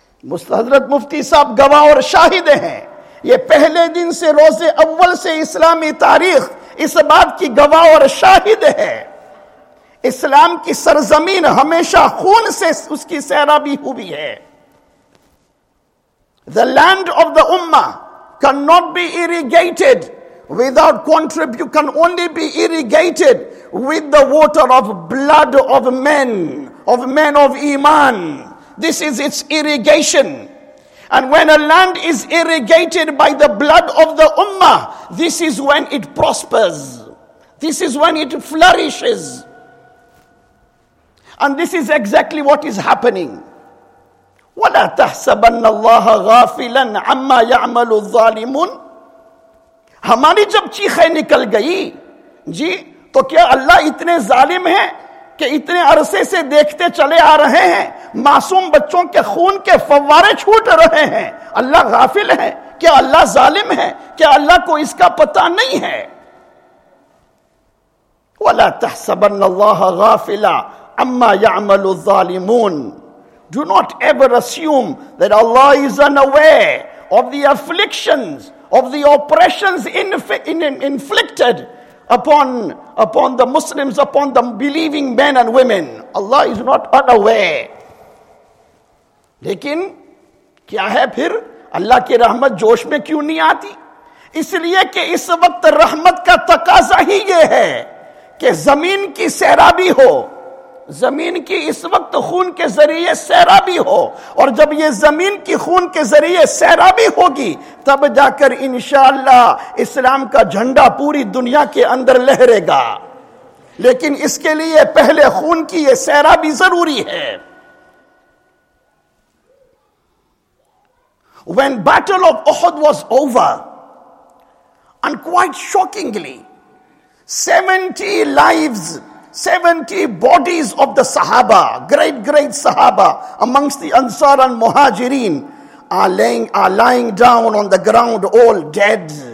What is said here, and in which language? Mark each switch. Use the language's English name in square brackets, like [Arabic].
[Urdu] حضرت مفتی صاحب گواہ اور شاہد ہیں, یہ پہلے دن سے روز اول سے اسلامی تاریخ اس بات کی گواہ اور شاہد ہے. اسلام کی سرزمین ہمیشہ خون سے اس کی سیرابی ہوئی ہے. [English] The land of the ummah cannot be irrigated without contribution, can only be irrigated with the water of blood of men of iman. This is its irrigation. And when a land is irrigated by the blood of the ummah, this is when it prospers. This is when it flourishes. And this is exactly what is happening. [Arabic] وَلَا تَحْسَبَنَّ اللَّهَ غَافِلًا عَمَّا يَعْمَلُ الظَّالِمُونَ. [Urdu] ہماری جب چیخیں نکل گئی جی, تو کیا اللہ اتنے ظالم ہیں کہ اتنے عرصے سے دیکھتے چلے آ رہے ہیں معصوم بچوں کے خون کے فوارے چھوٹ رہے ہیں, اللہ غافل ہے؟ کیا اللہ ظالم ہے؟ کیا اللہ کو اس کا پتہ نہیں ہے؟ [Arabic] وَلَا تَحْسَبَنَّ اللَّهَ غَافِلًا عَمَّا يَعْمَلُ الظَّالِمُونَ. [English] Do not ever assume that Allah is unaware of the afflictions, of the oppressions inflicted upon the Muslims, upon the believing men and women. Allah is not unaware. [Urdu] لیکن کیا ہے پھر, اللہ کی رحمت جوش میں کیوں نہیں آتی؟ اس لیے کہ اس وقت رحمت کا تقاضا ہی یہ ہے کہ زمین کی سیرابی ہو, زمین کی اس وقت خون کے ذریعے سیرابی ہو, اور جب یہ زمین کی خون کے ذریعے سیرابی ہوگی تب جا کر انشاءاللہ اسلام کا جھنڈا پوری دنیا کے اندر لہرے گا. لیکن اس کے لیے پہلے خون کی یہ سیرابی ضروری ہے. [English] When battle of Uhud was over, and quite shockingly, 70 lives, 70 bodies of the Sahaba, great, great Sahaba, amongst the Ansar and Muhajirin, are lying down on the ground, all dead.